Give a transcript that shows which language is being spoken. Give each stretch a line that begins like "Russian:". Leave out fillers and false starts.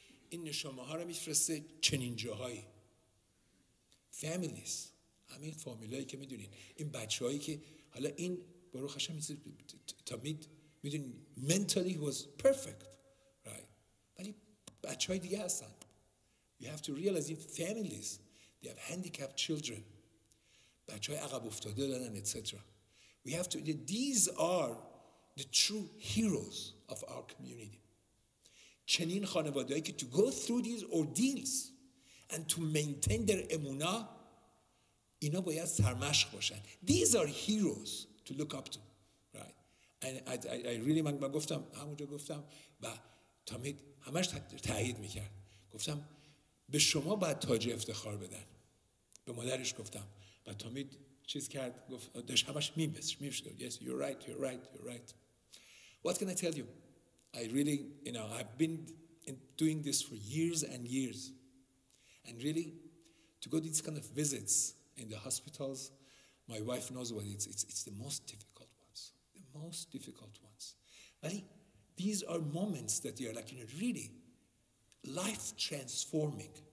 Persian: این نشانه‌ها رو می‌فرسته چنین جاهایی. فامیلیز، همین فامیلایی که می‌دونید، این بچه‌هایی که حالا این برو خشم تامید می‌دونید
English: Mentally was perfect, right.
Persian: ولی بچه‌های دیگه هستن.
English: You have to realize in families they have handicapped children.
Persian: بچه‌های عقب افتاده دارن
English: Et cetera. We have to these are the true heroes of our community.
Persian: چنین خانواده‌هایی که
English: to go through these ordeals and to maintain their emunah,
Persian: اینا باید سرمشق باشن.
English: These are heroes to look up to, right? And I really
Persian: من گفتم همونجا گفتم و تامید همش تایید میکرد. گفتم به شما باید تاج افتخار بدن. به مادرش گفتم و تامید چیز کرد گفت داشت همش میمیشد.
English: Yes, you're right. What can I tell you? I really, you know, I've been doing this for years. And really, to go to these kind of visits in the hospitals, my wife knows what it's the most difficult ones. The most difficult ones. But these are moments that you're like, you know, really life transforming.